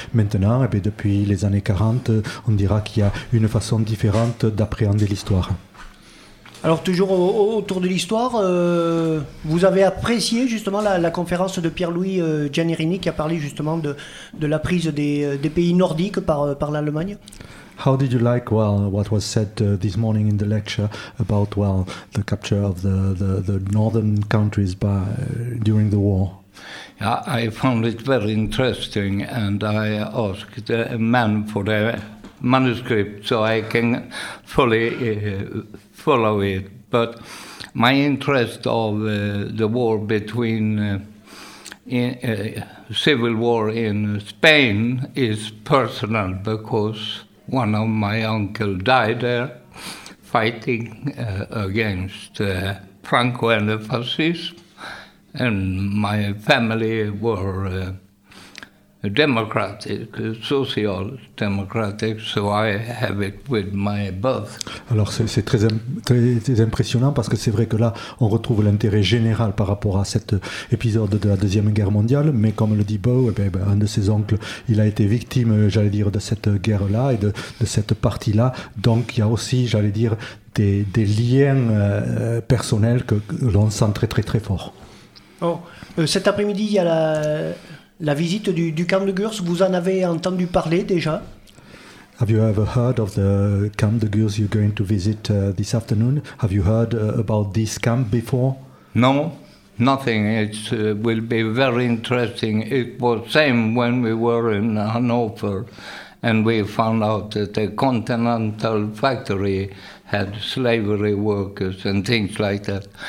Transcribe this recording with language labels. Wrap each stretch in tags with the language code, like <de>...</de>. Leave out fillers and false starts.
<fr>Maintenant, et bien depuis les années 40, on dira qu'il y a une façon différente d'appréhender l'histoire. Alors toujours autour de l'histoire, vous avez apprécié justement la conférence de Pierre-Louis Giannirini qui a parlé justement de la prise des pays nordiques par l'Allemagne.</fr> <en>How did you like what was said this morning in the lecture about the capture of the northern countries by during the war? I found it very interesting, and I asked a man for the manuscript so I can fully follow it. But my interest of the war between civil war in Spain is personal because one of my uncle died there fighting against Franco and the fascism, and my family were democratic, social democratic, so I have it with my birth.</en> <fr>Alors c'est très, très impressionnant parce que c'est vrai que là on retrouve l'intérêt général par rapport à cet épisode de la Deuxième Guerre mondiale, mais comme le dit Beau, un de ses oncles, il a été victime, j'allais dire, de cette guerre-là et de cette partie-là, donc il y a aussi, j'allais dire, des liens personnels que l'on sent très très très fort. Oh, cet après-midi, il y a la visite du camp de Gurs, vous en avez entendu parler déjà?</fr> <en>Have you ever heard of the camp de Gurs you're going to visit this afternoon? Have you heard about this camp before? No, nothing. It will be very interesting. It was same when we were in Hannover and we found out that the Continental Factory had slavery workers and things like that.</en>